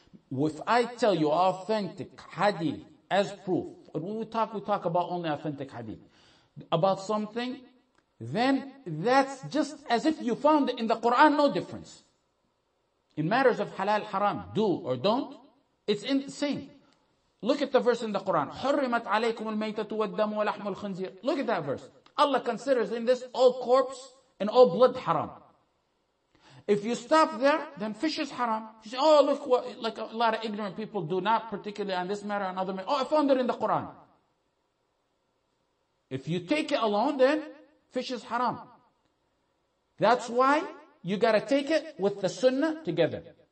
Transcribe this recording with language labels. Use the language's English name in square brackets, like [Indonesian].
[English] If I tell you authentic hadith as proof, when we talk about only authentic hadith, about something, then that's just as if you found it in the Quran, no difference. In matters of halal, haram, do or don't, it's in the same. Look at the verse in the Quran. [Arabic] حُرِّمَتْ عَلَيْكُمُ الْمَيْتَةُ وَالْدَّمُ وَلَحْمُ الْخِنْزِيرِ [English] Look at that verse. Allah considers in this all corpse, And all blood haram. If you stop there, then fish is haram. You say, oh, look what, like a lot of ignorant people do not, particularly on this matter and other matter. Oh, I found it in the Quran. If you take it alone, then fish is haram. That's why you gotta take it with the sunnah together.